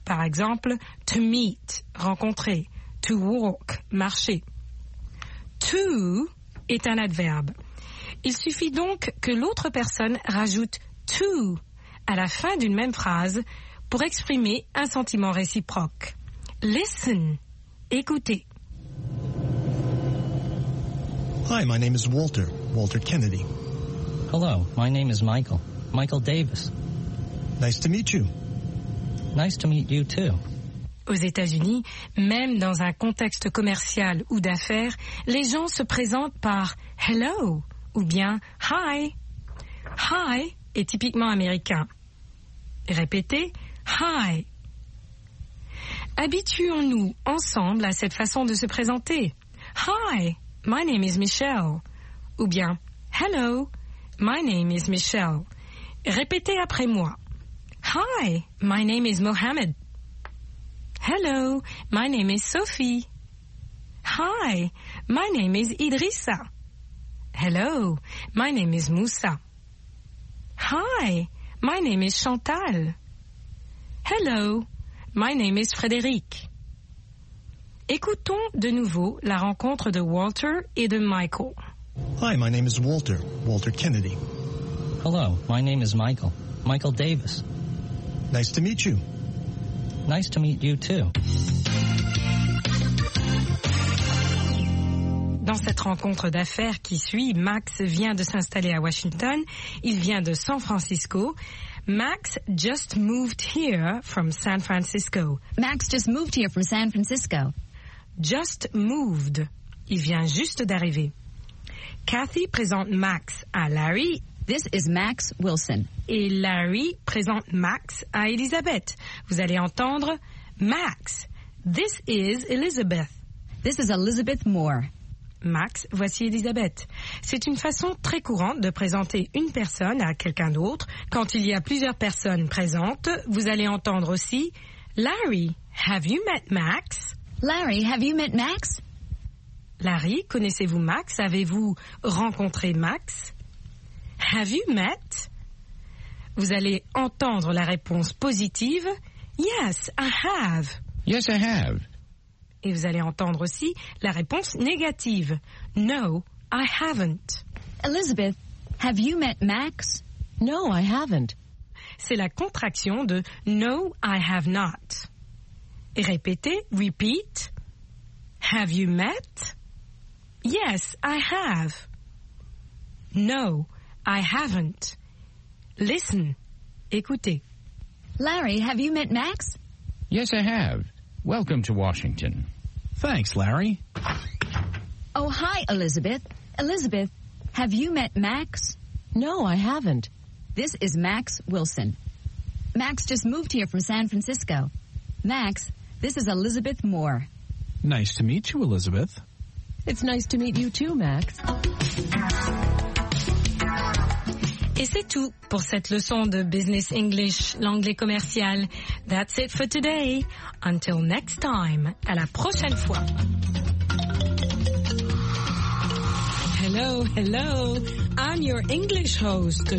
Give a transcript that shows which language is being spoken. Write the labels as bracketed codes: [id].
[fr] Par exemple, [en] to meet, [fr] rencontrer. [en] To walk, [fr] marcher. To est un adverbe. Il suffit donc que l'autre personne rajoute to à la fin d'une même phrase pour exprimer un sentiment réciproque. [en] Listen, [fr] écoutez. [en] Hi, my name is Walter, Walter Kennedy. Hello, my name is Michael, Michael Davis. Nice to meet you. Nice to meet you too. [fr] Aux États-Unis, même dans un contexte commercial ou d'affaires, les gens se présentent par « hello » ou bien « hi ».« Hi » est typiquement américain. Répétez « hi ». Habituons-nous ensemble à cette façon de se présenter. [en] « Hi, my name is Michelle » [fr] ou bien [en] « hello, my name is Michelle ». [fr] Répétez après moi. [en] « Hi, my name is Mohammed ». Hello, my name is Sophie. Hi, my name is Idrissa. Hello, my name is Moussa. Hi, my name is Chantal. Hello, my name is Frédéric. [fr] Écoutons de nouveau la rencontre de Walter et de Michael. Hi, my name is Walter, Walter Kennedy. Hello, my name is Michael, Michael Davis. Nice to meet you. Nice to meet you too. Dans cette rencontre d'affaires qui suit, Max vient de s'installer à Washington. Il vient de San Francisco. [en] Max just moved here from San Francisco. Max just moved here from San Francisco. Just moved. [fr] Il vient juste d'arriver. Kathy présente Max à Larry. [en] This is Max Wilson. [fr] Et Larry présente Max à Elizabeth. Vous allez entendre Max. [en] This is Elizabeth. This is Elizabeth Moore. [fr] Max, voici Elizabeth. C'est une façon très courante de présenter une personne à quelqu'un d'autre. Quand il y a plusieurs personnes présentes, vous allez entendre aussi [en] Larry, have you met Max? Larry, have you met Max? [fr] Larry, connaissez-vous Max? Avez-vous rencontré Max? [en] Have you met? [fr] Vous allez entendre la réponse positive. [en] Yes, I have. Yes, I have. [fr] Et vous allez entendre aussi la réponse négative. [en] No, I haven't. Elizabeth, have you met Max? No, I haven't. [fr] c'est la contraction de [en] No, I have not. [fr] Répétez, [en] repeat. Have you met? Yes, I have. No, I haven't. Listen. [fr] Écoutez. [en] Larry, have you met Max? Yes, I have. Welcome to Washington. Thanks, Larry. Oh, hi, Elizabeth. Elizabeth, have you met Max? No, I haven't. This is Max Wilson. Max just moved here from San Francisco. Max, this is Elizabeth Moore. Nice to meet you, Elizabeth. It's nice to meet you too, Max. [fr] Et c'est tout pour cette leçon de Business English, l'anglais commercial. [en] That's it for today. Until next time, [fr] à la prochaine fois. [en] Hello, hello. I'm your English host.